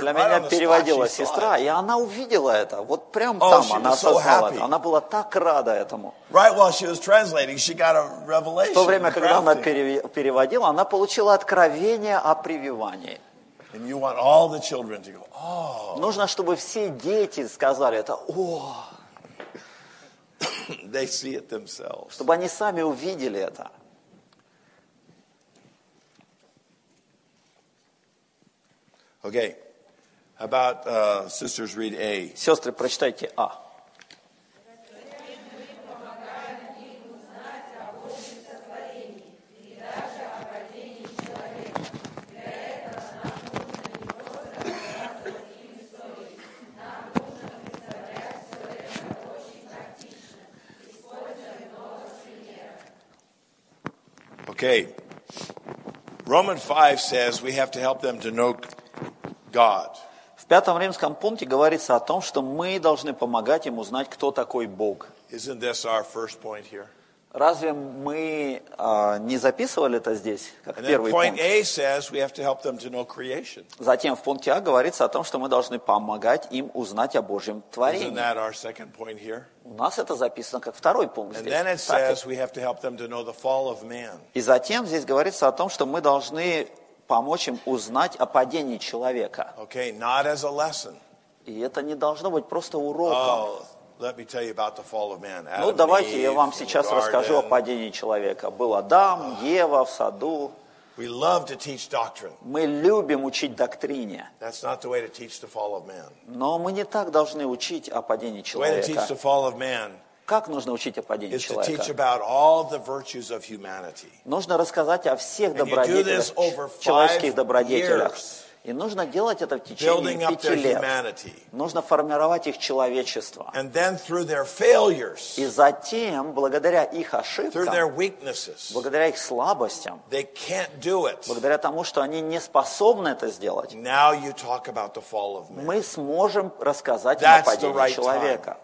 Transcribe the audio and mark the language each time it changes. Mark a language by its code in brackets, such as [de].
[ru] Для меня переводила сестра, и она увидела это. Вот прям там она осознала это. Она была так рада этому. [en] Right while she was translating, she got a revelation. [ru] В то время, когда она переводила, она получила откровение о прививании. [en] And you want all the children to go, "Oh." [ru] Нужно, чтобы все дети сказали это. О. [en] They see it themselves. [ru] Чтобы они сами увидели это. [en] Okay. How about sisters read A? [ru] Сестры, прочитайте А. [en] Okay, Romans 5 says we have to help them to know God. [ru] В пятом римском пункте говорится о том, что мы должны помогать им узнать, кто такой Бог. [en] Isn't this our first point here? [ru] Разве мы не записывали это здесь, как первый пункт? [en] And then point A says we have to help them to know creation. [ru] Затем в пункте А говорится о том, что мы должны помогать им узнать о Божьем творении. [en] Isn't that our second point here? [ru] У нас это записано как второй пункт [en] and [ru] здесь. [en] And then it says we have to help them to know the fall of man. [ru] И затем здесь говорится о том, что мы должны помочь им узнать о падении человека. [en] Okay, not as a lesson. [ru] И это не должно быть просто уроком. [en] Oh. Let me tell you about the fall of man. [ru] Ну, давайте я вам сейчас расскажу о падении человека. Был Адам, Ева в саду. [en] We love to teach doctrine. [ru] Мы любим учить доктрине. [en] That's not the way to teach the fall of man. [ru] Но мы не так должны учить о падении человека. [en] The way to teach the fall of man. [ru] Как нужно учить о падении [en] is [ru] человека? [en] To teach about all the virtues of humanity. [ru] Нужно рассказать о всех добродетелях, человеческих добродетелях. И нужно делать это в течение пяти лет. Нужно формировать их человечество. И затем, благодаря их ошибкам, благодаря их слабостям, благодаря тому, что они не способны это сделать, мы сможем рассказать им о падении человека.